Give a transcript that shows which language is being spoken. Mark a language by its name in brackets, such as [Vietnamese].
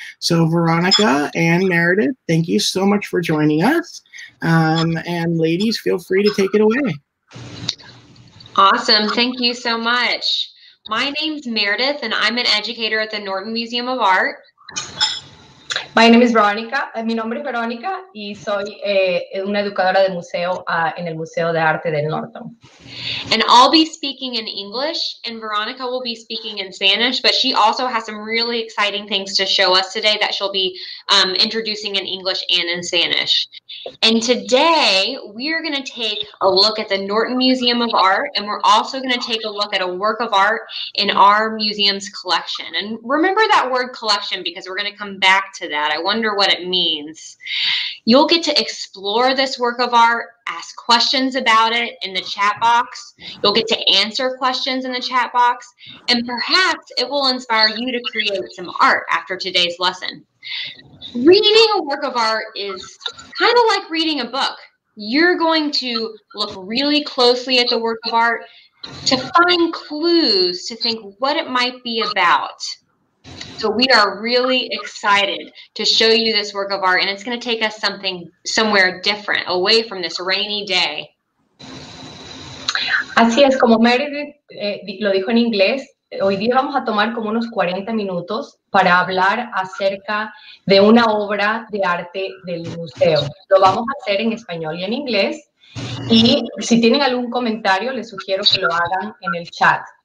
[English] So Veronica and Meredith, thank you so much for joining us, and ladies, feel free to take it away. Awesome. Thank you so much. My name's Meredith, and I'm an educator at the Norton Museum of Art. My name is Veronica. [Spanish] Mi nombre es Veronica y soy una educadora de museo en el Museo de Arte del Norton. [English] And I'll be speaking in English and Veronica will be speaking in Spanish, but she also has some really exciting things to show us today that she'll be introducing in English and in Spanish. And today we are going to take a look at the Norton Museum of Art, and we're also going to take a look at a work of art in our museum's collection. And remember that word collection because we're going to come back to that. I wonder what it means. You'll get to explore this work of art, ask questions about it in the chat box. You'll get to answer questions in the chat box, and perhaps it will inspire you to create some art after today's lesson. Reading a work of art is kind of like reading a book. You're going to look really closely at the work of art to find clues to think what it might be about. So we are really excited to show you this work of art, and it's going to take us somewhere different, away from this rainy day. [Spanish] Así es, como Meredith lo dijo en inglés, hoy día vamos a tomar como unos 40 minutos para hablar acerca de una obra de arte del museo. Lo vamos a hacer en español y en inglés, y si tienen algún comentario, les sugiero que lo hagan en el chat.